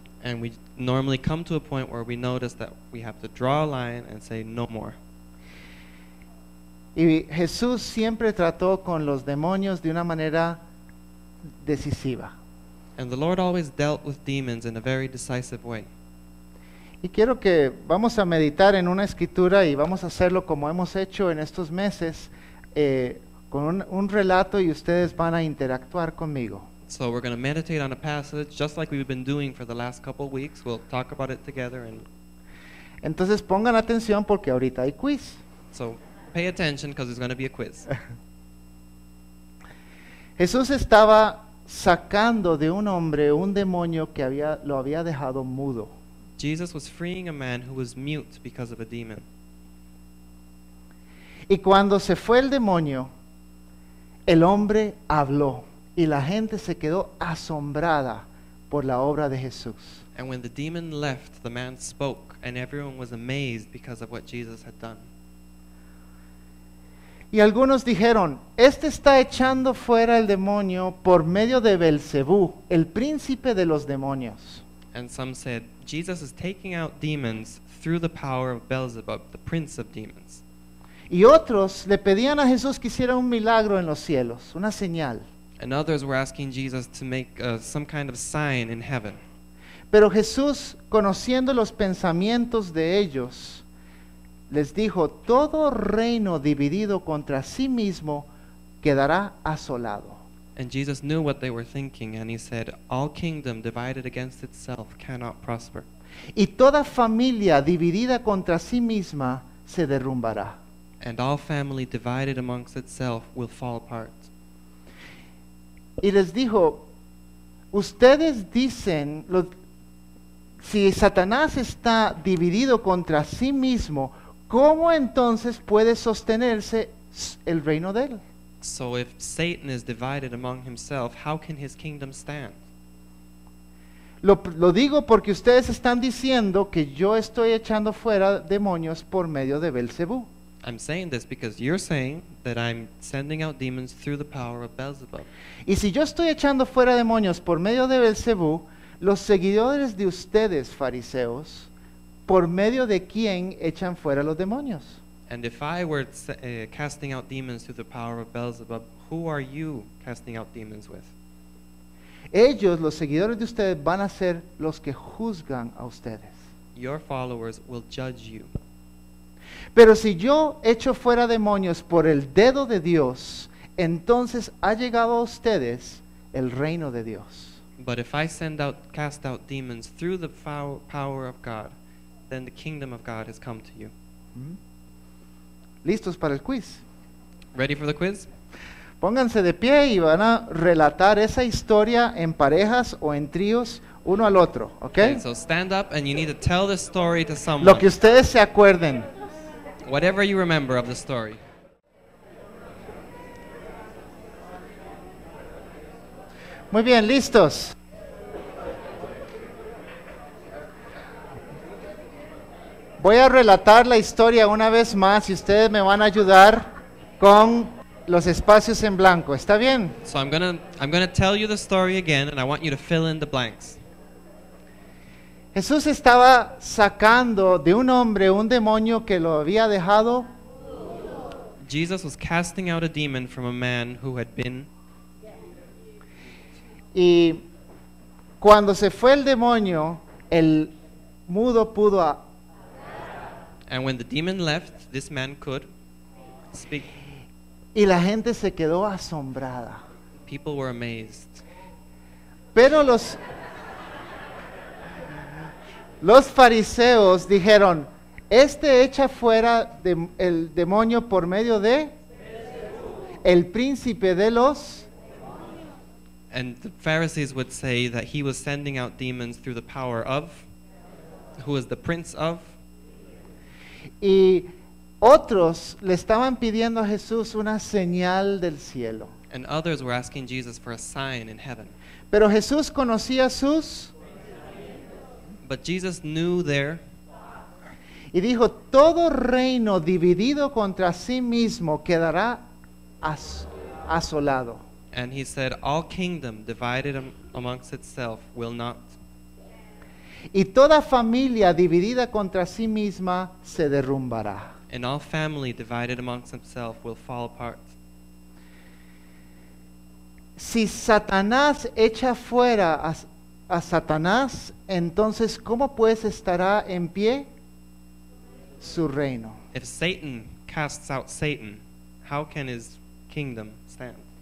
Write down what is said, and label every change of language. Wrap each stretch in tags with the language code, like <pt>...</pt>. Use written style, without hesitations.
<en>And we normally come to a point where we notice that we have to draw a line and say no more.</en> <es>Y Jesús siempre trató con los demonios de una manera decisiva.</es> <en>And the Lord always dealt with demons in a very decisive way.</en> <es>Y quiero que vamos a meditar en una escritura y vamos a hacerlo como hemos hecho en estos meses, con un relato y ustedes van a interactuar conmigo.</es> <en>So we're going to meditate on a passage just like we've been doing for the last couple of weeks. We'll talk about it together. And</en> <es>entonces pongan atención porque ahorita hay quiz.</es> <en>So pay attention because there's going to be a quiz.</en> <es>Jesús estaba sacando de un hombre un demonio que había, lo había dejado mudo.</es> <en>Jesus was freeing a man who was mute because of a demon.</en> <es>Y cuando se fue el demonio, el hombre habló y la gente se quedó asombrada por la obra de Jesús.</es> <en>And when the demon left, the man spoke and everyone was amazed because of what Jesus had done.</en> <es>Y algunos dijeron, este está echando fuera el demonio por medio de Belcebú, el príncipe de los demonios.</es> <en>And some said, Jesus is taking out demons through the power of Beelzebub, the prince of demons.</en> <es>Y otros le pedían a Jesús que hiciera un milagro en los cielos, una señal.</es> <en>And others were asking Jesus to make some kind of sign in heaven.</en> <es>Pero Jesús, conociendo los pensamientos de ellos, les dijo, todo reino dividido contra sí mismo quedará asolado.</es> <en>And Jesus knew what they were thinking, and he said, all kingdom divided against itself cannot prosper.</en> <es>Y toda familia dividida contra sí misma se derrumbará.</es> <en>And all family divided amongst itself will fall apart.</en> <es>Y les dijo, ustedes dicen, si Satanás está dividido contra sí mismo, ¿cómo entonces puede sostenerse el reino de él?</es> <en>So if Satan is divided among himself, how can his kingdom stand?</en> <es>Lo digo porque ustedes están diciendo que yo estoy echando fuera demonios por medio de Belcebú.</es> <en>I'm saying this because you're saying that I'm sending out demons through the power of Beelzebub.</en> <es>Y si yo estoy echando fuera demonios por medio de Belcebú, los seguidores de ustedes, fariseos, ¿por medio de quién echan fuera los demonios?</es> <en>And if I were casting out demons through the power of Beelzebub, who are you casting out demons with?</en> <es>Ellos, los seguidores de ustedes, van a ser los que juzgan a ustedes.</es> <en>Your followers will judge you.</en> <es>Pero si yo echo fuera demonios por el dedo de Dios, entonces ha llegado a ustedes el reino de Dios.</es> <en>But if I send out, cast out demons through the power of God, then the kingdom of God has come to you.</en> <es>¿Listos para el quiz?</es> <en>Ready for the quiz?</en> <es>Pónganse de pie y van a relatar esa historia en parejas o en tríos uno al otro, ¿okay?</es> <en>So stand up and you need to tell the story to someone.</en> <es>Lo que ustedes se acuerden.</es> <en>Whatever you remember of the story.</en> <es>Muy bien, listos. Voy a relatar la historia una vez más y ustedes me van a ayudar con los espacios en blanco. ¿Está bien?</es> <en>So I'm gonna tell you the story again and I want you to fill in the blanks.</en> <es>Jesús estaba sacando de un hombre un demonio que lo había dejado.</es> <en>Jesus was casting out a demon from a man who had been.</en> <es>Y cuando se fue el demonio, el mudo pudo.</es> <en>And when the demon left, this man could speak.</en> <es>Y la gente se quedó asombrada.</es> <en>People were amazed.</en> <es>Pero los fariseos dijeron, este echa fuera el demonio por medio de el príncipe de los.</es> <en>And the Pharisees would say that he was sending out demons through the power of, who is the prince of.</en> <es>Y otros le estaban pidiendo a Jesús una señal del cielo.</es> <en>And others were asking Jesus for a sign in heaven.</en> <es>Pero Jesús conocía sus.</es> <en>But Jesus knew their.</en> <es>Y dijo, todo reino dividido contra sí mismo quedará asolado.</es> <en>And he said, all kingdom divided amongst itself will not.</en> <es>Y toda familia dividida contra sí misma se derrumbará.</es> <en>And all family divided amongst itself will fall apart.</en> <es>Si Satanás echa fuera a Satanás, entonces ¿cómo pues estará en pie su reino?</es> <en>If Satan casts out Satan, how can his kingdom stand?</en>